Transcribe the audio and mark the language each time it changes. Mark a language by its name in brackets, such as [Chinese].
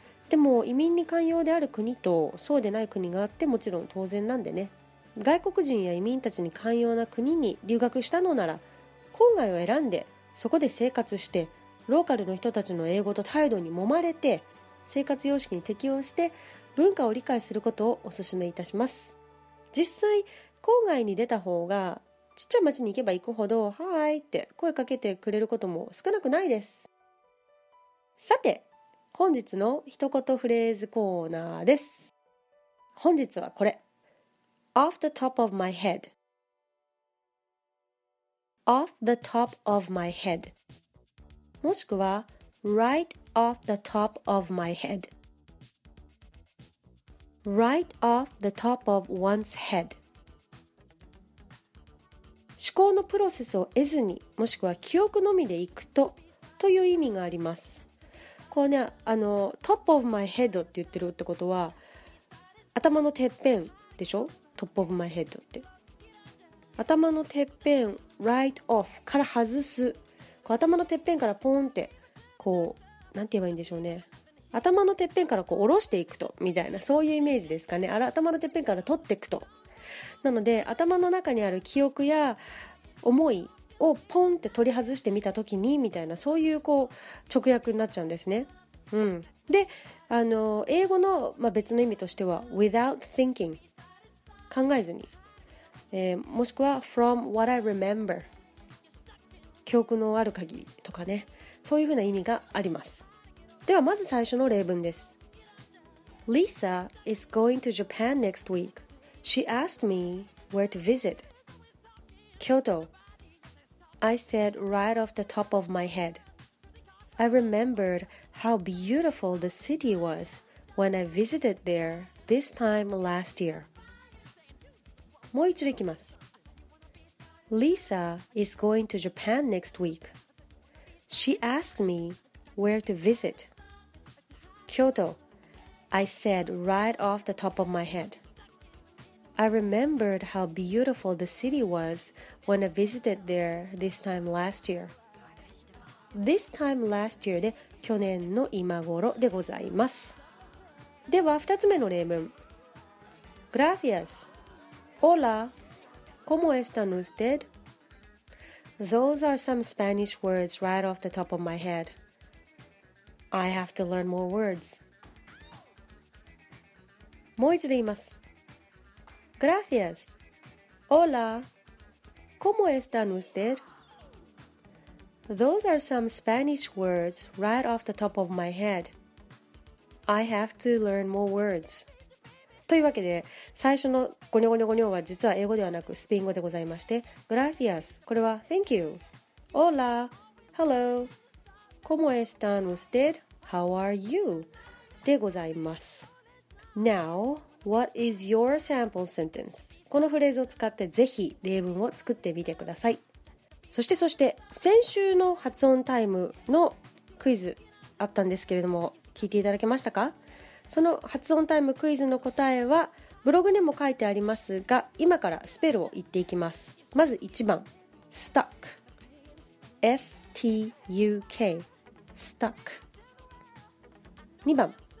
[Japanese] でも移民に寛容である国とそうでない国があって、もちろん当然なんでね、外国人や移民たちに寛容な国に留学したのなら、郊外を選んでそこで生活して、ローカルの人たちの英語と態度に揉まれて、生活様式に適応して文化を理解することをお勧めいたします。実際郊外に出た方が、ちっちゃい町に行けば行くほど、はいって声かけてくれることも少なくないです。さて、本日の一言フレーズコーナーです。本日はこれ、 [English] Off the top of my head、 Off the top of my head、 もしくは Right off the top of my head、 Right off the top of one's head。 [Japanese] 思考のプロセスを得ずに、もしくは記憶のみでいくと、という意味があります。こうね、 [English] Top of my head [Japanese] って言ってるってことは、頭のてっぺんでしょ、 Top of my head って、頭のてっぺん、 [English] Right off [Japanese] から外す、こう頭のてっぺんからポーンって、こうなんて言えばいいんでしょうね、頭のてっぺんからこう下ろしていくと、みたいな、そういうイメージですかね。頭のてっぺんから取っていくと。なので、頭の中にある記憶や思いをポンって取り外してみた時に、みたいな、そういうこう直訳になっちゃうんですね。うん、で、英語の、まあ、別の意味としては [English] without thinking、 [Japanese] 考えずに、もしくは [English] from what I remember、 [Japanese] 記憶のある限りとかね、そういう風な意味があります。ではまず最初の例文です。 [English] Lisa is going to Japan next weekShe asked me where to visit. Kyoto. I said right off the top of my head. I remembered how beautiful the city was when I visited there this time last year. [Japanese] もう一度行きます。 [English] Lisa is going to Japan next week. She asked me where to visit. Kyoto. I said right off the top of my head. I remembered how beautiful the city was when I visited there this time last year. [Japanese] This time last year で、去年の今頃でございます。では二つ目の例文。 [Spanish] Gracias. Hola. ¿Cómo están usted? [English] Those are some Spanish words right off the top of my head. I have to learn more words. [Japanese] もう一度言います。 [Spanish] Gracias. Hola. ¿Cómo están usted? [English] Those are some Spanish words right off the top of my head. I have to learn more words. [Japanese] というわけで、最初のゴニョゴニョゴニョは実は英語ではなくスペイン語でございまして、 [Spanish] Gracias. [Japanese] これは [English] Thank you. [Spanish] Hola. [English] Hello. [Spanish] ¿Cómo están usted? [English] How are you? [Japanese] でございます。 [English] Now,What is your sample sentence? [Japanese] このフレーズを使ってぜひ例文を作ってみてください。そして先週の発音タイムのクイズあったんですけれども、聞いていただけましたか？その発音タイムクイズの答えはブログにも書いてありますが、今からスペルを言っていきます。まず1番 stuck S-T-U-K stuck 2番